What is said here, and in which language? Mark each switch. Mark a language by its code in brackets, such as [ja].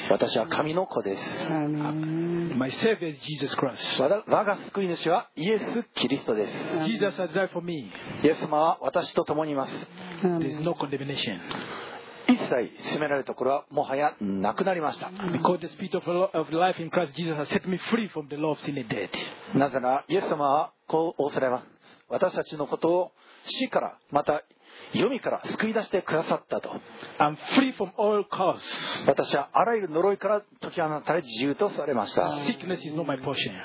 [ja] 私は神の子です。 [en] My savior is Jesus Christ、 [ja] 我が救い主はイエス・キリストです。 [en] Jesus has died for me、 [ja] イエス様は私と共にいます。 [en] There's no condemnation、 [ja] 一切責められるところはもはやなくなりました。 [en] Because the spirit of life in Christ Jesus has set me free from the law of sin and death、 [ja] なぜならイエス様はこう仰せられます。私たちのことを死からまた黄泉から救い出してくださったと。 [en] I'm free from all curse. [ja] 私はあらゆる呪いから解き放たれ自由とされました。 [en] Sickness is not my portion.